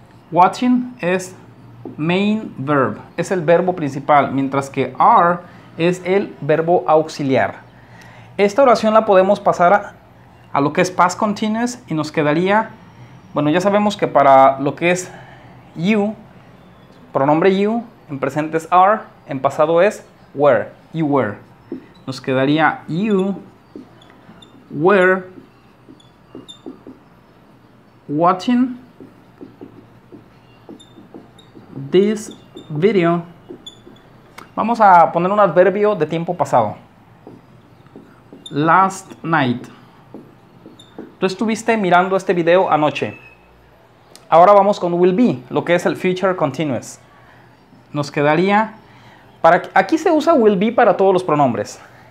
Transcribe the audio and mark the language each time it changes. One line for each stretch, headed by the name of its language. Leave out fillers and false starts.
Spanish: Watching es main verb, es el verbo principal, mientras que are es el verbo auxiliar. Esta oración la podemos pasar a lo que es past continuous y nos quedaría, bueno, ya sabemos que para lo que es you, pronombre you, en presente es are, en pasado es were,
English: you were.
Spanish: Nos quedaría
English: you were watching this video.
Spanish: Vamos a poner un adverbio de tiempo pasado. Last night. Tú estuviste mirando este video anoche. Ahora vamos con will be, lo que es el future continuous. Nos quedaría, aquí se usa will be para todos los pronombres.